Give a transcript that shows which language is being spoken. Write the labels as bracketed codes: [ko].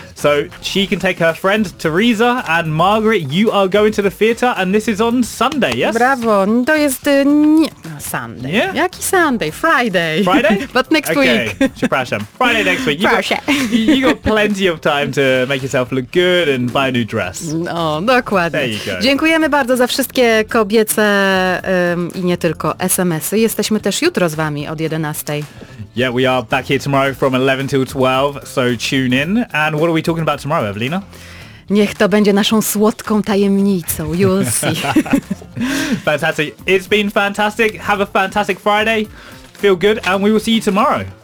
[en] So she can take her friend, Teresa, and Margaret, you are going to the theatre, and this is on Sunday, yes? [pl] Brawo, to jest Sunday. [en] Yeah? [pl] Jaki Sunday? Friday. [en] Friday? But next week. Okay, [pl] przepraszam. [en] Friday next week. You got plenty of time to make yourself look good and buy a new dress. [pl] No, dokładnie. [en] There you go. [pl] Dziękujemy bardzo za wszystkie kobiece i nie tylko SMS-y. Jesteśmy też jutro z wami od 11. [en] Yeah, we are back here tomorrow from 11 till 12, so tune in. And what are we talking about tomorrow, Evelina? [pl] Niech to będzie naszą słodką tajemnicą. [en] You'll see. Fantastic. It's been fantastic. Have a fantastic Friday. Feel good and we will see you tomorrow.